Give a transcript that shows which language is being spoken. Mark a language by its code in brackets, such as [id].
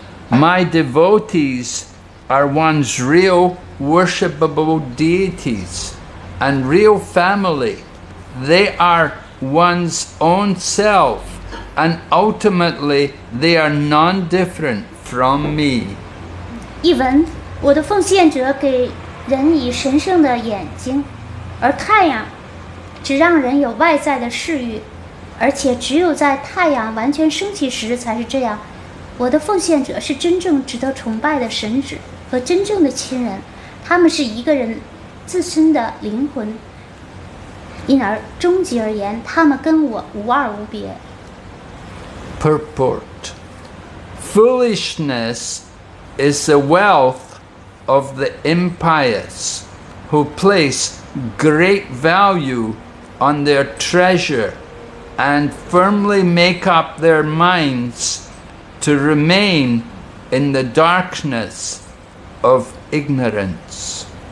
[en] My devotees are one's real worshipable deities and real family. They are one's own self. And ultimately, they are non-different from me. [zh] 一文, 我的奉献者给人以神圣的眼睛, 而太阳, 只让人有外在的视域, 而且只有在太阳完全升起时才是这样, 我的奉献者是真正值得崇拜的神祇和真正的亲人, 他们是一个人自身的灵魂, 因而终极而言, 他们跟我无二无别。 [en] Purport. Foolishness is the wealth of the impious who place great value on their treasure and firmly make up their minds to remain in the darkness of ignorance.